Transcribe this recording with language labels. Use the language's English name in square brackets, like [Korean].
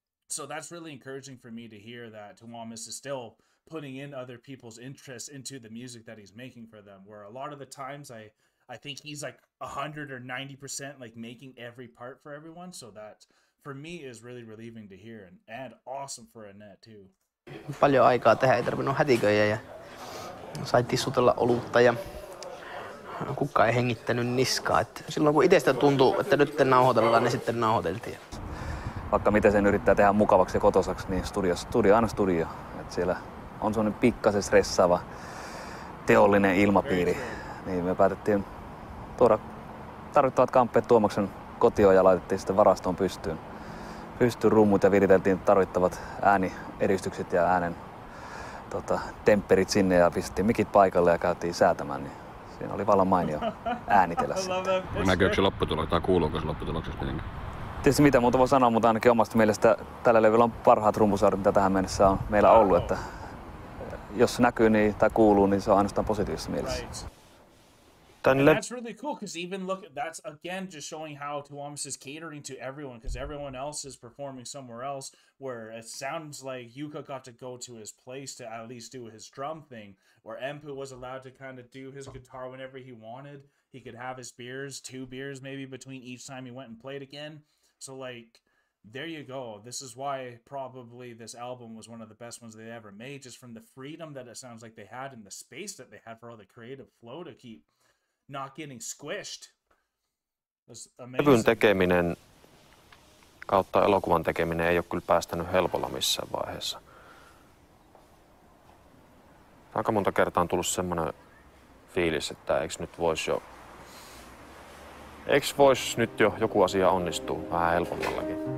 [English] So that's really encouraging for me to hear that Tuomas is still putting in other people's interests into the music that he's making for them, where a lot of the times I think he's like 100 or 90% like making every part for everyone. So that for me is really relieving to hear and awesome for Annette too. [Finnish] Paljon aikaa tehdä, ei tarvinnut hätiköjä ja sai tissutella olutta ja kukaan ei hengittänyt niskaa. Et silloin kun itsestä tuntuu, että nyt nauhoitellaan, niin sitten nauhoiteltiin. Vaikka miten sen yrittää tehdä mukavaksi ja kotosaksi, niin studio aina studio. Et siellä on semmoinen pikkasen stressaava teollinen ilmapiiri. Niin me päätettiin tuoda tarvittavat kamppeet Tuomaksen kotioon ja laitettiin sitten varastoon pystyyn. Pystyyn rummut ja viriteltiin tarvittavat ääni eristykset ja äänen temperit sinne ja pistettiin mikit paikalle ja käytiin säätämään, niin siinä oli vallan mainio äänitellä sitten. Näkyykö se lopputulos tai kuuluuko se lopputuloksessa mitenkään? Tietysti mitä muuta voi sanoa, mutta ainakin omasta mielestä tällä levyllä on parhaat rumpusaurit, mitä tähän mennessä on meillä ollut. Että jos se näkyy niin, tai kuuluu, niin se on ainoastaan positiivisessa mielessä. [English] That's really cool, because even look, that's again just showing how Tuomas is catering to everyone, because everyone else is performing somewhere else, where it sounds like Yuka got to go to his place to at least do his drum thing, where Empu was allowed to kind of do his guitar whenever he wanted. He could have his beers, two beers maybe, between each time he went and played again. So like, there you go. This is why probably this album was one of the best ones they ever made, just from the freedom that it sounds like they had and the space that they had for all the creative flow to keep not getting squished. [Finnish] Levyn tekeminen kautta elokuvan tekeminen ei ole kyllä päästänyt helpolla missään vaiheessa. Aika monta kertaa on tullut semmoinen fiilis, että eikö nyt voisi joku asia onnistua vähän helpommallakin.